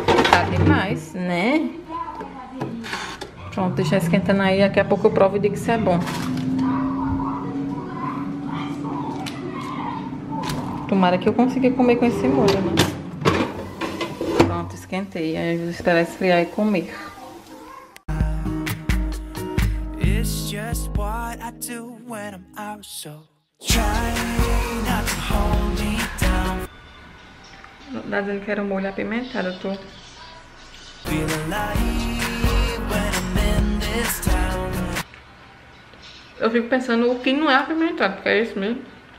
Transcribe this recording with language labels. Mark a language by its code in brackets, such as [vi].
[pt] Tá demais, né? Pronto, deixa esquentando aí. Daqui a pouco eu provo e digo se é bom. Tomara que eu consiga comer com esse molho, né? Pronto, esquentei. Aí eu vou esperar esfriar e comer. [en] It's just what I do when I'm out, so try not to hold me down. [pt] Tá dizendo que era um molho apimentado, tô. Eu fico pensando o que não é apimentado, porque é isso mesmo.